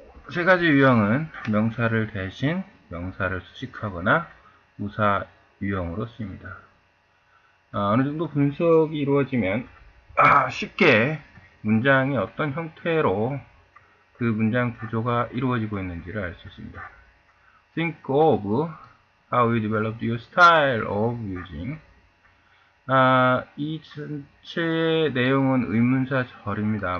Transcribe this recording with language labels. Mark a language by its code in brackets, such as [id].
[ko] 세 가지 유형은 명사를 대신 명사를 수식하거나 부사 유형으로 쓰입니다. 어느 정도 분석이 이루어지면 쉽게 문장이 어떤 형태로 그 문장 구조가 이루어지고 있는지를 알 수 있습니다. [en] Think of how you developed your style of using. [ko] 이 전체의 내용은 의문사절입니다.